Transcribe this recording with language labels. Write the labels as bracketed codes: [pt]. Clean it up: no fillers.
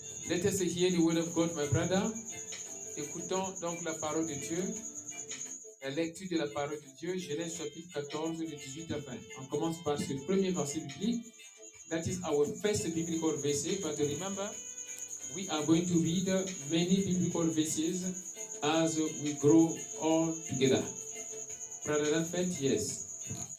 [en] Let us hear the word of God, my brother. [fr] Écoutons donc la parole de Dieu, la lecture de la parole de Dieu, Genèse chapitre 14, de 18 à 20. On commence par ce premier verset biblique. [en] That is our first biblical verse, but remember, we are going to read many biblical verses as we grow all together. Brother Raphaël, yes.